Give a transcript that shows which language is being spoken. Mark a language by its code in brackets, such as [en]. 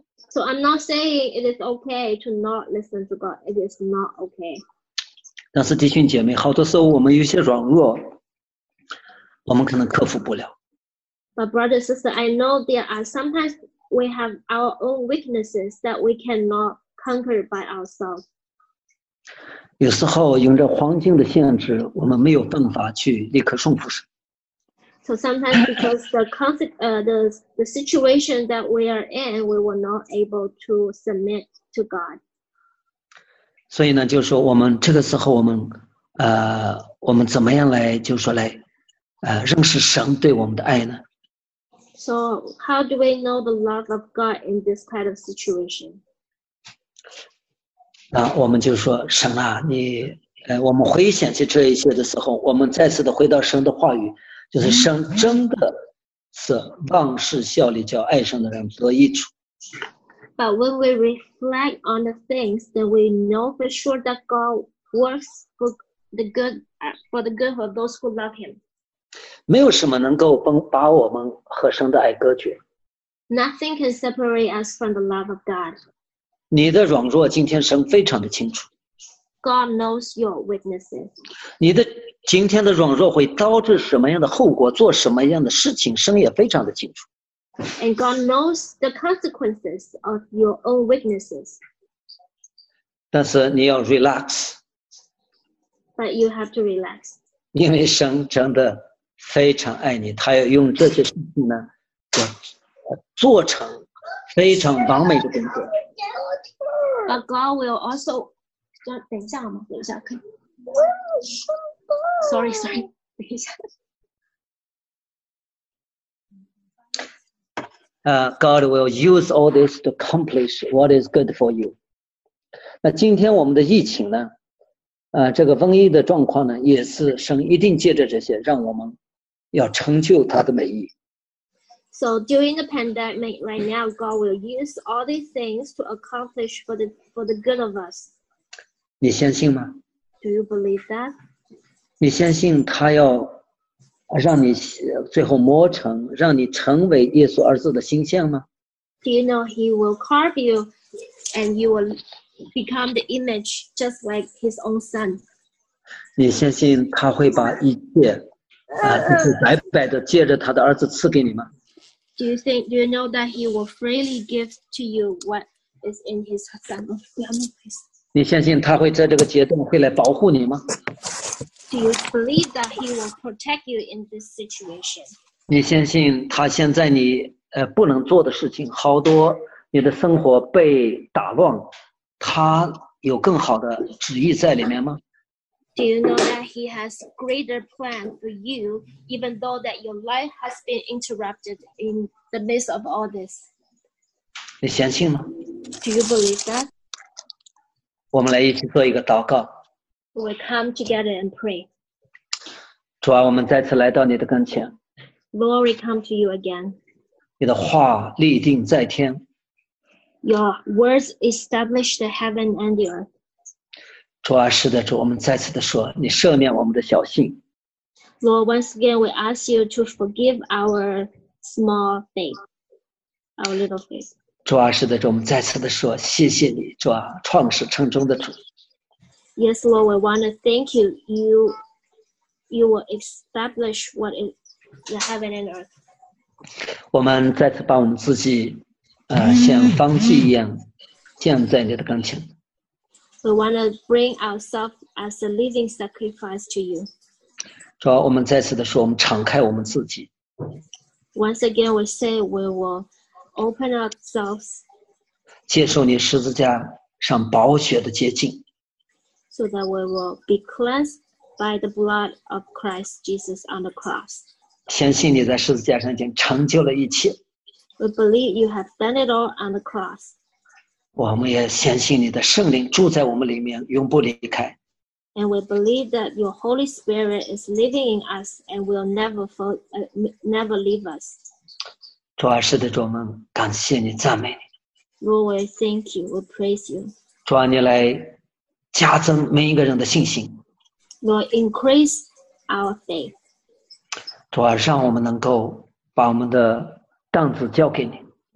[en] So I'm not saying it is okay to not listen to God. It is not okay. [zh] 但是弟兄姐妹，好多时候我们有些软弱，我们可能克服不了。 [en] But brothers and sisters, I know there are sometimes we have our own weaknesses that we cannot conquer by ourselves. [zh] 有时候用着环境的限制，我们没有办法去立刻顺服神。 [en] So sometimes because the situation that we are in, we were not able to submit to God. [zh] 所以呢，就是说我们这个时候我们怎么样来，就是说来认识神对我们的爱呢？ [en] So, how do we know the love of God in this kind of situation? [zh] 那我们就说，神啊，你，我们回想起这一切的时候，我们再次的回到神的话语，就是神真的是万事效力叫爱神的人得益处。 [en] But when we reflect on the things, then we know for sure that God works for the good of those who love Him. [zh] 没有什么能够把我们和神的爱隔绝。 [en] Nothing can separate us from the love of God. [zh] 你的软弱今天神非常的清楚。 [en] God knows your weaknesses. [zh] 你的今天的软弱会导致什么样的后果，做什么样的事情，神也非常的清楚。 [en] And God knows the consequences of your own weaknesses. [zh] 但是你要 relax. [en] But you have to relax. [zh] 因为神真的非常爱你，他要用这些事情呢，做成非常完美的工作。 [en] But God will also, [zh] 等一下好吗？等一下可以。 Sorry, 等一下。 [en] God will use all this to accomplish what is good for you. [zh] 那今天我们的疫情呢，这个瘟疫的状况呢，也是神一定借着这些让我们。要成就他的美意。 [en] So during the pandemic right now, God will use all these things to accomplish for the good of us. [zh] 你相信吗？ [en] Do you believe that? [zh] 你相信他要让你最后磨成，让你成为耶稣儿子的形象吗？ [en] Do you know he will carve you and you will become the image just like his own son? [zh] 你相信他会把一切就是白白的借着他的儿子赐给你吗？ [en] Do you think, do you know that he will freely give to you what is in his family? Do you believe that he will protect you in this situation? [zh] 你相信他现在你不能做的事情，好多你的生活被打乱，他有更好的旨意在里面吗？ [en] Do you know that he has greater plan for you, even though that your life has been interrupted in the midst of all this? [zh] 你相信吗？ [en] Do you believe that? [zh] 我们来一起做一个祷告。 [en] We come together and pray. [zh] 主啊，我们再次来到你的跟前。 [en] Lord, we come to you again. [zh] 你的话立定在天。 [en] Your words establish the heaven and the earth. [zh] 主啊，是的，主，我们再次的说，你赦免我们的小信。 [en] Lord, once again, we ask you to forgive our small faith, our little faith. [zh] 主啊，是的，主，我们再次的说，谢谢你，主啊，创始成终的主。 [en] Yes, Lord, we want to thank you. You will establish what is the heaven and earth. [zh] 我们再次把我们自己像方剂一样降在你的跟前。 [en] We want to bring ourselves as a living sacrifice to you. [zh] 主要我们再次的说，我们敞开我们自己。 [en] Once again, we say we will open ourselves. [zh] 接受你十字架上宝血的洁净。 [en] So that we will be cleansed by the blood of Christ Jesus on the cross. [zh] 相信你在十字架上已经成就了一切。 [en] We believe you have done it all on the cross. [zh] 我们也相信你的圣灵住在我们里面，永不离开。 [en] And we believe that your Holy Spirit is living in us and will never leave us. [zh] 主啊，是的，主，我们感谢你，赞美你。 [en] Lord, we thank you, we praise you. [zh] 主啊，你来加增每一个人的信心。 [en] Lord, increase our faith. [zh] 主啊，让我们能够把我们的担子交给你。